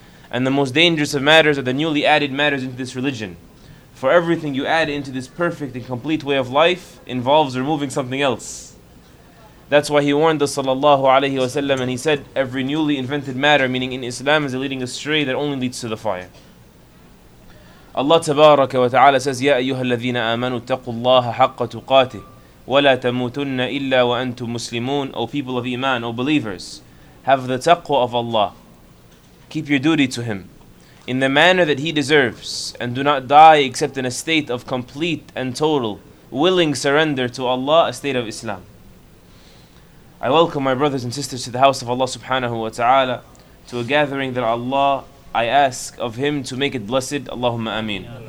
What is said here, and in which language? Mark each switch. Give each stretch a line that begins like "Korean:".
English: And the most dangerous of matters are the newly added matters into this religion. For everything you add into this perfect and complete way of life involves removing something else. That's why he warned us sallallahu alayhi wa sallam, and he said, every newly invented matter, meaning in Islam, is a leading astray that only leads to the fire.
Arabic: Allah tabaraka wa ta'ala says, يَا أَيُّهَا الَّذِينَ آمَنُوا اتَّقُوا اللَّهَ حَقَّ تُقَاتِهِ وَلَا تَمُوتُنَّ إِلَّا وَأَنْتُمْ مُسْلِمُونَ.
English: O people of Iman, O believers, have the taqwa of Allah. Keep your duty to Him in the manner that He deserves, and do not die except in a state of complete and total willing surrender to Allah, a state of Islam. I welcome my brothers and sisters to the house of Allah subhanahu wa ta'ala, to a gathering that Allah, I ask of Him to make it blessed, Allahumma ameen.